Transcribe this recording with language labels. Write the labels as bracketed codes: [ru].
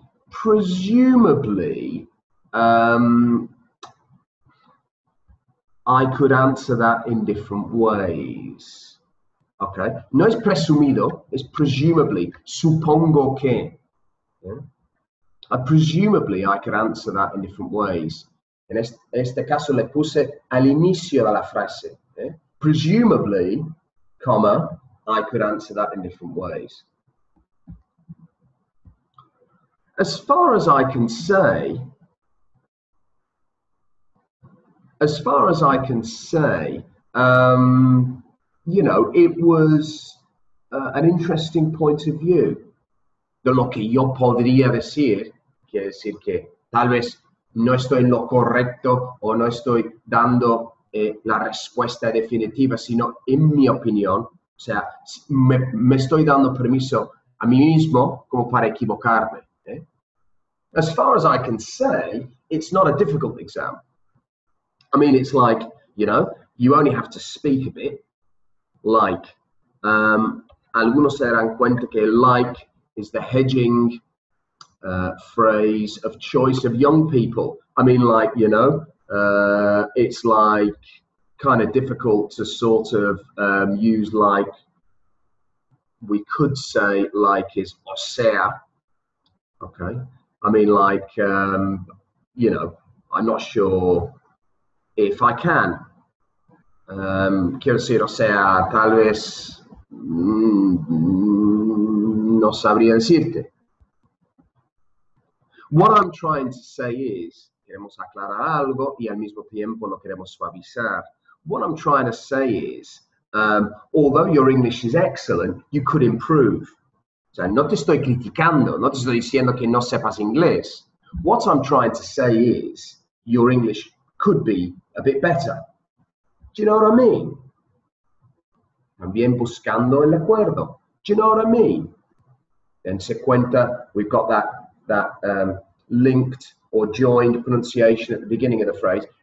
[en] Presumably, I could answer that in different ways. [es] Okay, no es presumido, es presumably, supongo que. [en] Yeah? Presumably, I could answer that in different ways. [es] En este caso le puse al inicio de la frase. [en] Yeah? Presumably, comma, I could answer that in different ways. As far as I can say, you know, it was an interesting point of view. [es] De lo que yo podría decir, quiere decir que tal vez no estoy en lo correcto o no estoy dando la respuesta definitiva, sino en mi opinión, o sea, me estoy dando permiso a mí mismo como para equivocarme. [en] As far as I can say, it's not a difficult exam. I mean, it's like, you know, you only have to speak a bit. Like, [es] algunos se darán cuenta que [en] like is the hedging phrase of choice of young people. I mean, like, you know, it's like kind of difficult to sort of use like. We could say like is [es] o sea, [en] okay? I mean, like, you know, I'm not sure if I can. [es] Quiero decir, o sea, tal vez no sabría decirte. [en] What I'm trying to say is, [es] queremos aclarar algo y al mismo tiempo lo queremos suavizar. [en] What I'm trying to say is, although your English is excellent, you could improve. [es] O sea, no te estoy criticando, no te estoy diciendo que no sepas inglés. [en] What I'm trying to say is, your English could be a bit better. Do you know what I mean? [es] También buscando el acuerdo. [en] Do you know what I mean? Then [es] se cuenta, [en] we've got that linked or joined pronunciation at the beginning of the phrase.